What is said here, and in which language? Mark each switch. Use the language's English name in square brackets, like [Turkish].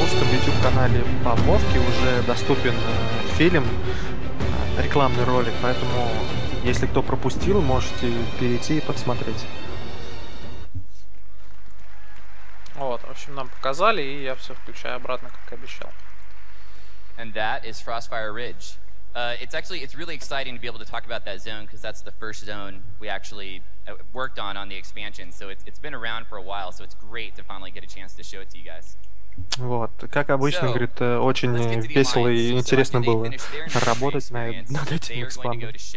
[Russian] русском YouTube-канале по Мовке уже доступен фильм, рекламный ролик, поэтому если кто пропустил, можете перейти и посмотреть. Вот, в общем, нам показали, и я все включаю обратно, как и обещал. [English] And that is Frostfire Ridge. It's really exciting to be able to talk about that zone, because that's the first zone we actually worked on the expansion. So it's been around for a while, so it's great to finally get a chance to show it to you guys. [Russian] Вот, как обычно, говорит, очень весело и интересно было работать над этим экспандом.